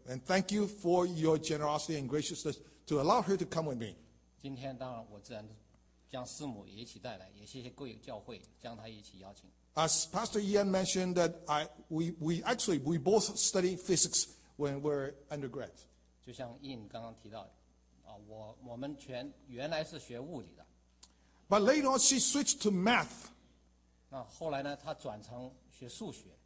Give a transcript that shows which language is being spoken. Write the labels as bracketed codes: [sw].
[en] And thank you for your generosity and graciousness to allow her to come with me. [zh] 今天当然我自然将师母也一起带来，也谢谢贵教会将她一起邀请。 [en] As Pastor Ian mentioned, that we both study physics when we're undergrad. [zh] 就像Ian刚刚提到，我们原来是学物理的。 [en] But later on, she switched to math. [zh] 那后来呢，她转成学数学。